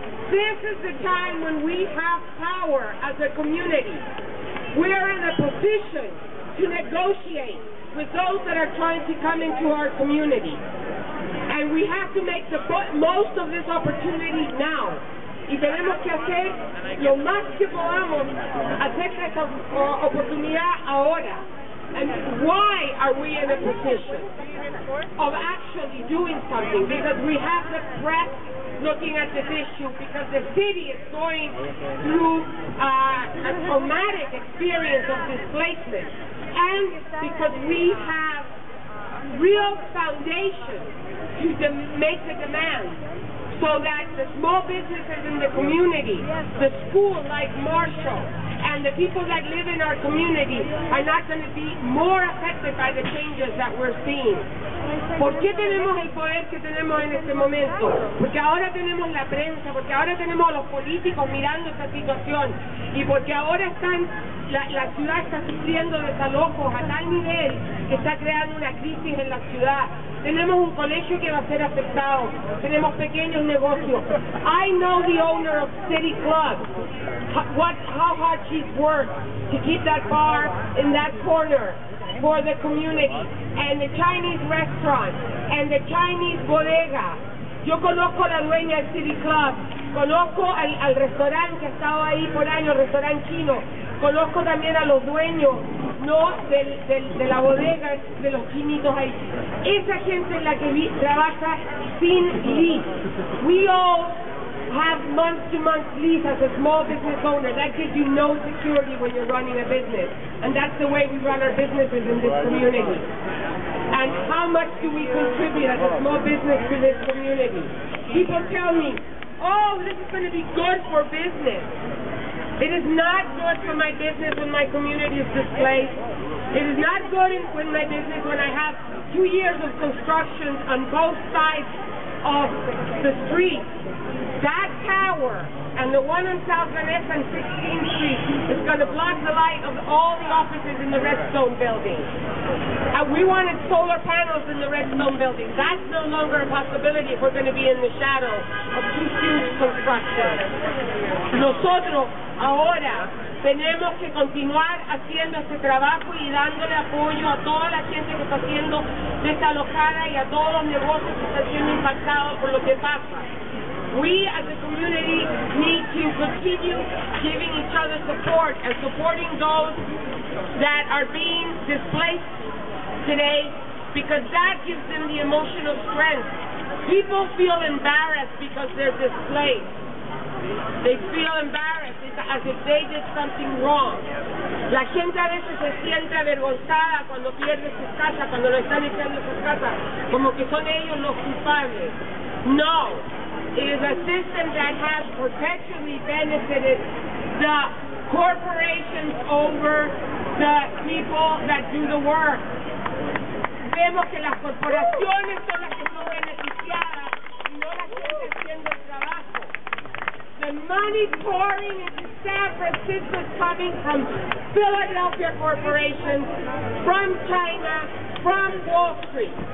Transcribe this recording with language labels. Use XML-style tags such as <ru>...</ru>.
<en>This is the time when we have power as a community. We are in a position to negotiate with those that are trying to come into our community. And we have to make the most of this opportunity now.</en> <es>Y tenemos que hacer lo más que podamos hacer esta oportunidad ahora.</es> <en>And why are we in a position of actually doing something? Because we have the press looking at this issue, because the city is going through a traumatic experience of displacement. And because we have real foundation to make the demand so that the small businesses in the community, the school like Marshall, and the people that live in our community are not going to be more affected by the changes that we're seeing.</en> <es>¿Por qué tenemos el poder que tenemos en este momento? Porque ahora tenemos la prensa, porque ahora tenemos los políticos mirando esta situación y porque ahora están la ciudad está sufriendo desalojos a tal nivel que está creando una crisis en la ciudad. Tenemos un colegio que va a ser afectado. Tenemos pequeños negocios.</es> <en>I know the owner of City Club. How hard she's worked to keep that bar in that corner for the community. And the Chinese restaurant. And the Chinese bodega.</en> <es>Yo conozco a la dueña del City Club. Conozco al restaurante que ha estado ahí por años, el restaurante chino. Conozco también a los dueños, ¿no? De la bodega, de los chinitos ahí. Esa gente es la que trabaja sin lease.</es> <en>We all have month-to-month lease as a small business owner. That gives you no security when you're running a business. And that's the way we run our businesses in this community. And how much do we contribute as a small business to this community? People tell me, oh, this is going to be good for business. It is not good for my business when my community is displaced. It is not good when my business, when I have 2 years of construction on both sides of the street. That tower and the one on South Vanessa and 16th Street is going to block the light of all the offices in the Redstone building. And we wanted solar panels in the Redstone building. That's no longer a possibility if we're going to be in the shadow of two huge construction.</en> <es>Nosotros ahora tenemos que continuar haciendo este trabajo y dándole apoyo a toda la gente que está siendo desalojada y a todos los negocios que están siendo impactados por lo que pasa.</es> <en>We as a community need to continue giving each other support and supporting those that are being displaced today because that gives them the emotional strength. People feel embarrassed because they're displaced. They feel embarrassed as if they did something wrong.</en> <es>La gente a veces se siente avergonzada cuando pierde su casa, cuando lo están echando su casa, como que son ellos los culpables. No.</es> <en>It is a system that has perpetually benefited the corporations over the people that do the work.</en> <es>Vemos que las corporaciones son las que son beneficiadas y no las que están haciendo el trabajo.</es> <en>The money pouring into San Francisco is coming from Philadelphia corporations, from China, from Wall Street.</en>